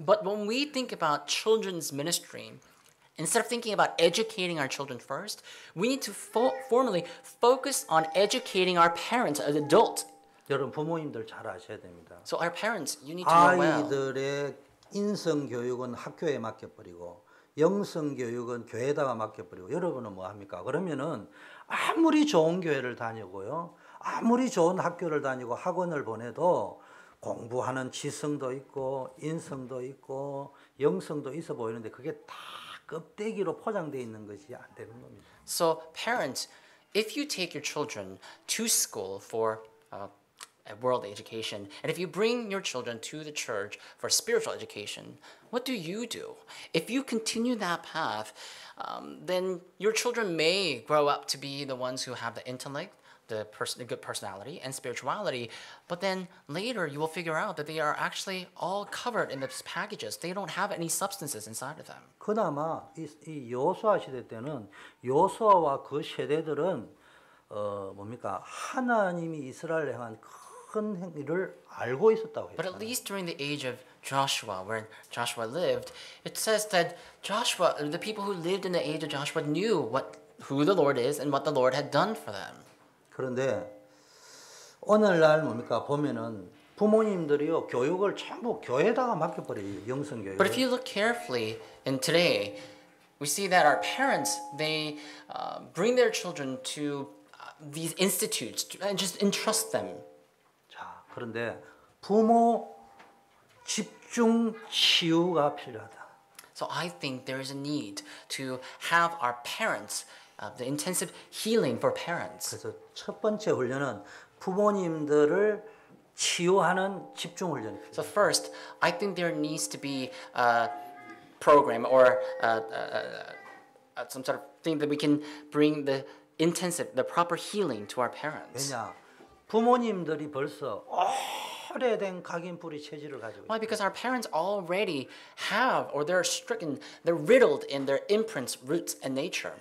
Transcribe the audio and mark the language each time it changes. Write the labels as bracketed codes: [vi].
[en] But when we think about children's ministry, instead of thinking about educating our children first, we need to formally focus on educating our parents as adults. [ko] 여러분 부모님들 잘 아셔야 됩니다. [en] So our parents, you need to know well. [ko] 아이들의 인성 교육은 학교에 맡겨버리고 영성 교육은 교회에다가 맡겨버리고 여러분은 뭐 합니까? 그러면은 아무리 좋은 교회를 다니고요, 아무리 좋은 학교를 다니고 학원을 보내도 공부하는 지성도 있고 인성도 있고 영성도 있어 보이는데 그게 다 껍데기로 포장돼 있는 것이 안 되는 겁니다. [en] So parents, if you take your children to school for world education, and if you bring your children to the church for spiritual education, what do you do? If you continue that path, then your children may grow up to be the ones who have the intellect, the good personality, and spirituality, but then later you will figure out that they are actually all covered in these packages. They don't have any substances inside of them. [ko] 그나마 이 여호수아 시대 때는 여호수아와 그 세대들은 뭡니까? 하나님이 이스라엘을 향한 큰 행위를 알고 있었다고 해요. [en] But at least during the age of Joshua, where Joshua lived, it says that Joshua, the people who lived in the age of Joshua knew what who the Lord is and what the Lord had done for them. [ko] 그런데 오늘날 뭡니까? 보면은 부모님들이요, 교육을 전부 교회에다가 맡겨 버려요. 영성 교육. [en] But if you look carefully in today, we see that our parents, they bring their children to these institutes and just entrust them. [ko] 자, 그런데 부모 집중 치유가 필요하다. [en] So I think there is a need to have our parents the intensive healing for parents. [ko] 그래서 첫 번째 훈련은 부모님들을 치유하는 집중 훈련. [en] So first, I think there needs to be a program or some sort of thing that we can bring the intensive, the proper healing to our parents. [ko] 왜냐, 부모님들이 벌써 오래된 각인 뿌리 체질을 가지고. [en] Why? Because our parents already have, or they're stricken, they're riddled in their imprints, roots, and nature.